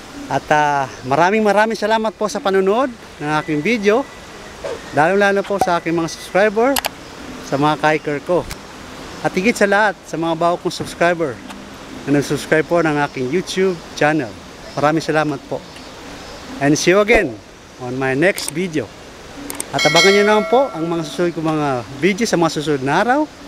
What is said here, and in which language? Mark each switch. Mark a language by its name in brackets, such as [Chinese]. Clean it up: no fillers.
[Filipino] At maraming salamat po sa panonood ng aking video, lalo-lalo po sa aking mga subscriber, sa mga kahiker ko. At higit sa lahat, sa mga bago kong subscriber na nagsubscribe po ng aking YouTube channel. Maraming salamat po. [English] And see you again on my next video. [Filipino] At abangan nyo naman po ang mga susunod kong mga videos sa mga susunod na araw.